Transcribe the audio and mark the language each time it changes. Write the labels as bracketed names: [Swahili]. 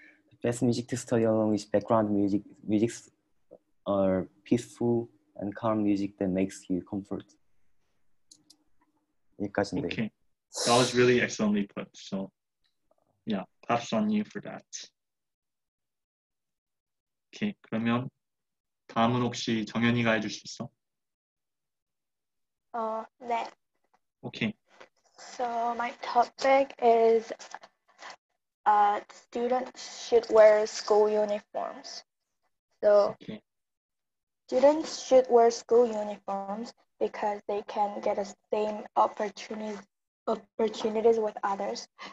[English] The best music to study alone is background music. Music's are peaceful and calm music that makes you comfort. Okay, that was really excellently put. So, yeah, props on you for that. [Korean] 오케이. 그러면 다음은 혹시 정연이가 해주실 수 있어? 네. 오케이. [English] So my topic is students should wear school uniforms. So okay. Students should wear school uniforms because they can get the same opportunities with others.